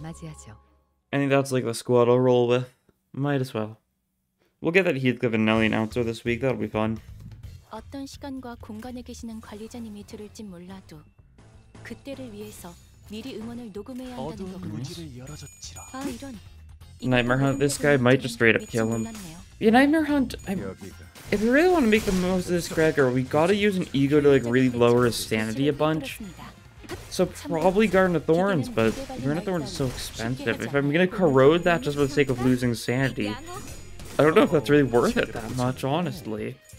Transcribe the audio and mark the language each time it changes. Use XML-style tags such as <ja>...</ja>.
<en>I think that's like the squad I'll roll with. Might as well. We'll get that Heathcliff and Nelly announcer this week. That'll be fun.</en> <ko>어떤 시간과 공간에 계시는 관리자님이 들을진 몰라도 그때를 위해서 미리 음원을 녹음해야 한다는 거군요. 아 이런. Nightmare Hunt.</ko> <en>This guy might just straight up kill him. Yeah, Nightmare Hunt. If we really want to make the most of this Gregor, we gotta use an ego to like really lower his sanity a bunch. So probably Garden of Thorns, but Garden of Thorns is so expensive. If I'm gonna corrode that just for the sake of losing sanity, I don't know if that's really worth it that much, honestly.</en>